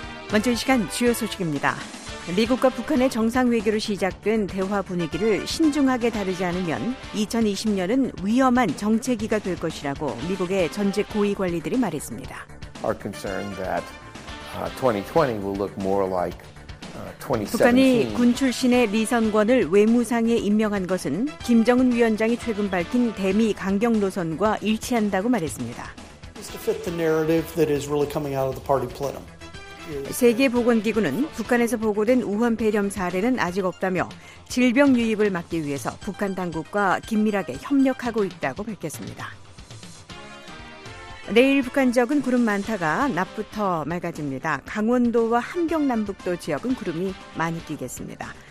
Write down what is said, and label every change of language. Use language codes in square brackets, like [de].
[ko] 먼저 이 시간 주요 소식입니다. 미국과 북한의 정상 외교로 시작된 대화 분위기를 신중하게 다루지 않으면 2020년은 위험한 정체기가 될 것이라고 미국의 전직 고위 관리들이 말했습니다. [en] Our concern that 2020 will look more like 2017. [ko] 북한이 군 출신의 리선권을 외무상에 임명한 것은 김정은 위원장이 최근 밝힌 대미 강경 노선과 일치한다고 말했습니다. [en] It's to fit the narrative that is really coming out of the party plenum. [ko] 세계보건기구는 북한에서 보고된 우한 폐렴 사례는 아직 없다며 질병 유입을 막기 위해서 북한 당국과 긴밀하게 협력하고 있다고 밝혔습니다. 내일 북한 지역은 구름 많다가 낮부터 맑아집니다. 강원도와 함경 남북도 지역은 구름이 많이 끼겠습니다.